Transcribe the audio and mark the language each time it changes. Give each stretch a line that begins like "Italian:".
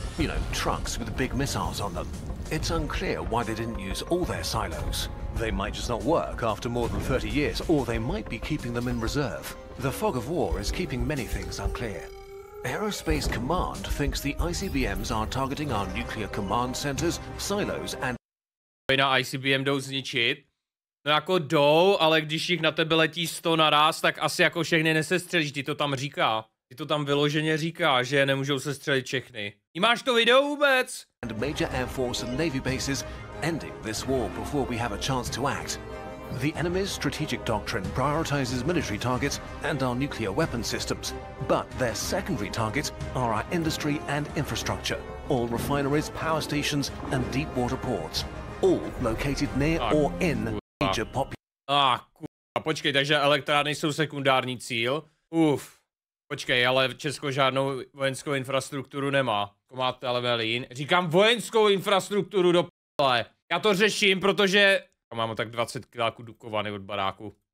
English: You know, trucks with big missiles on them. It's unclear why they didn't use all their silos. They might just not work after more than 30 years, or they might be keeping them in reserve. The fog of war is keeping many things unclear. Aerospace Command thinks the ICBMs are targeting our nuclear command centers, silos and...
Czech: ...na ICBM jdou zničit. No jako jdou, ale když jich na tebe letí 100 naraz, tak asi jako všechny nesestřelíš, ty to tam říká. Ty to tam vyloženě říká, že nemůžou sestřelit všechny. Nímáš to video vůbec?
English: ...and major air force and navy bases ending this war before we have a chance to act. The enemy's strategic doctrine prioritizes military targets and our nuclear weapon systems, but their secondary targets are our industry and infrastructure, all refineries, power stations, and deep water ports, all located near or in major population.
Czech: Počkej, takže elektrárny jsou sekundární cíl. Uf. Počkej, ale Česko žádnou vojenskou infrastrukturu nemá. Komáte ale velín. Říkám vojenskou infrastrukturu do p***le. Já to řeším, protože a máme tak 20 kiláků Dukovany od baráku.